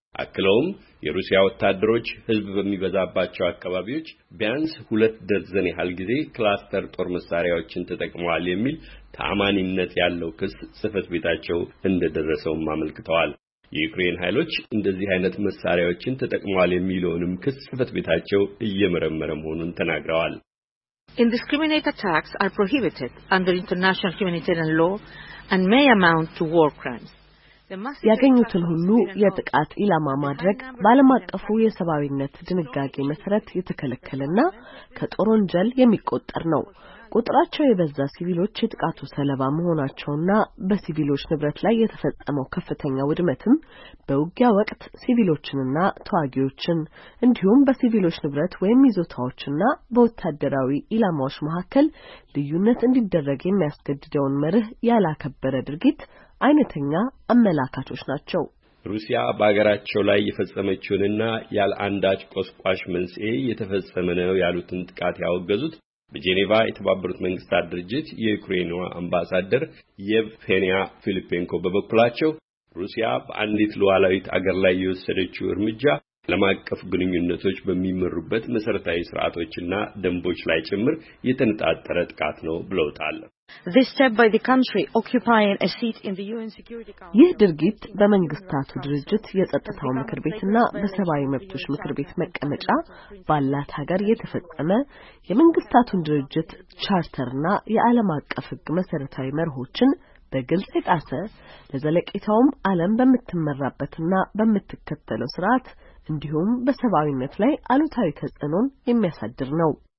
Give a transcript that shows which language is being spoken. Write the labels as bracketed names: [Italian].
[Amharic] አክለውም የሩሲያ ወታደሮች ህዝብ በሚበዛባቸው አካባቢዎች ቢያንስ 2 ደርዘን ያህል ጊዜ ክላስተር ጦር መሳሪያዎችን ተጠቅመዋል የሚል ተአማኒነት ያለው ክስ ጽህፈት ቤታቸው እንደደረሰውም አመልክተዋል። የዩክሬን ኃይሎች እንደዚህ አይነት መሳሪያዎችን ተጠቅመዋል የሚለውንም ክስ ጽህፈት ቤታቸው እየመረመረ መሆኑን ተናግረዋል። [English] Indiscriminate attacks are prohibited under international humanitarian law and may amount to war crimes. [Amharic] ያገኙትን ሁሉ የጥቃት ኢላማ ማድረግ በዓለም አቀፉ የሰብአዊነት ድንጋጌ መሰረት የተከለከለና ከጦር ወንጀል የሚቆጠር ነው። ቁጥራቸው የበዛ ሲቪሎች የጥቃቱ ሰለባ መሆናቸውና በሲቪሎች ንብረት ላይ የተፈጸመው ከፍተኛ ውድመትም በውጊያ ወቅት ሲቪሎችንና ተዋጊዎችን እንዲሁም በሲቪሎች ንብረት ወይም ይዞታዎችና በወታደራዊ ኢላማዎች መካከል ልዩነት እንዲደረግ የሚያስገድደውን መርህ ያላከበረ ድርጊት አይነተኛ አመላካቾች ናቸው። ሩሲያ በአገራቸው ላይ የፈጸመችውንና ያለ አንዳች ቆስቋሽ መንስኤ የተፈጸመ ነው ያሉትን ጥቃት ያወገዙት በጄኔቫ የተባበሩት መንግስታት ድርጅት የዩክሬኗ አምባሳደር የቬኒያ ፊሊፔንኮ በበኩላቸው ሩሲያ በአንዲት ሉዓላዊት አገር ላይ የወሰደችው እርምጃ ለማቀፍ ግንኙነቶች በሚመሩበት መሰረታዊ ስርዓቶችና ደንቦች ላይ ጭምር የተነጣጠረ ጥቃት ነው ብለውታል። [English] This step by the country occupying a seat in the UN Security Council. [Amharic] ይህ ድርጊት በመንግስታቱ ድርጅት የጸጥታው ምክር ቤትና በሰብአዊ መብቶች ምክር ቤት መቀመጫ ባላት ሀገር የተፈጸመ የመንግስታቱ ድርጅት ቻርተርና የዓለም አቀፍ ህግ መሰረታዊ መርሆችን በግልጽ የጣሰ ለዘለቂታውም ዓለም በመተመረበትና በመተከተለው ስርዓት እንዲሁም በሰብአዊነት ላይ አሉታዊ ተጽዕኖን የሚያሳድር ነው።